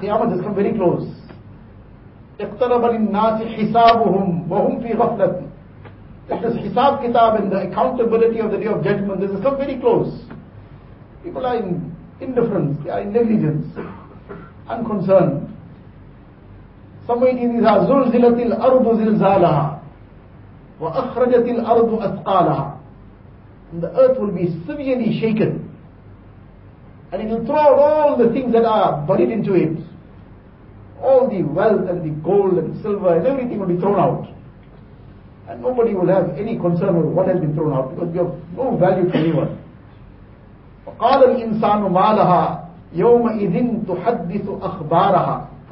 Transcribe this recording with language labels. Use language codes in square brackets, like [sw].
[en] Qiyamah has come very close. [ar] اِقْتَرَبَ لِلنَّاسِ حِسَابُهُمْ وَهُمْ فِي غَفْلَةٍ. [en] That this hisab kitab and the accountability of the day of judgment, this has come very close. People are in indifference, they are in negligence, unconcerned. Somebody is [ar] زلزلت الأرض زلزالها وأخرجت الأرض أثقالها. [en] And the earth will be severely shaken. And it will throw out all the things that are buried into it. All the wealth and the gold and silver and everything will be thrown out. And nobody will have any concern over what has been thrown out, because we have no value to anyone. [ar] وَقَالَ الْإِنسَانُ مَا لَهَا يَوْمَئِذٍ تُحَدِّثُ أَخْبَارَهَا.